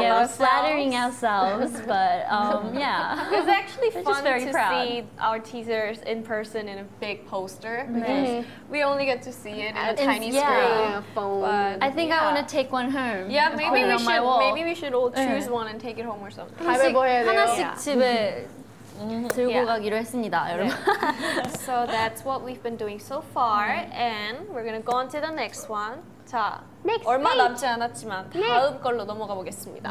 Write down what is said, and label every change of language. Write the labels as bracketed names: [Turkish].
[English] ourselves. We're flattering ourselves, but yeah. It's actually fun to see our teasers in person in a big poster because we only get to see it in a tiny screen. Phone. I think I want to take one home. Yeah, maybe we should. Maybe we should all choose one and take it home or something. [Korean] 하나씩 집에 들고 가기로 했습니다, 여러분. [English] So that's what we've been doing so far, and we're gonna go on to the next one. [Korean] 자, 얼마 남지 않았지만 다음 걸로 넘어가 보겠습니다.